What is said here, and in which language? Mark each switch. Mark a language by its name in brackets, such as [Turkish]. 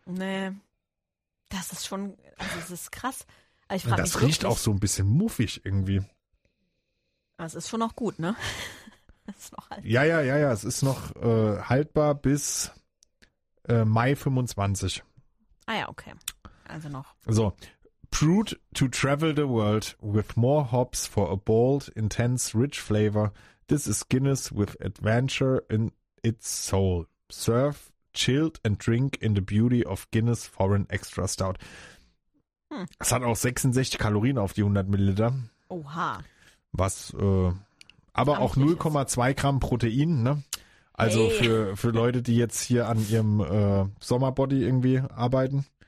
[German] Nee, das ist schon, also das ist krass. Ich das mich riecht auch so ein bisschen muffig irgendwie. Es ist schon noch gut, ne? Ist noch haltbar. Ja. Es ist noch haltbar bis Mai 25. Ah ja, okay. Also noch. [English] So, brewed to travel the world with more hops for a bold, intense, rich flavor. This is Guinness with adventure in its soul. Serve, chilled and drink in the beauty of Guinness Foreign Extra Stout. [German] Es hat auch 66 Kalorien auf die 100 Milliliter. Oha. Was, aber auch 0,2 Gramm Protein, ne? Also hey. für Leute, die jetzt hier an ihrem Sommerbody irgendwie arbeiten.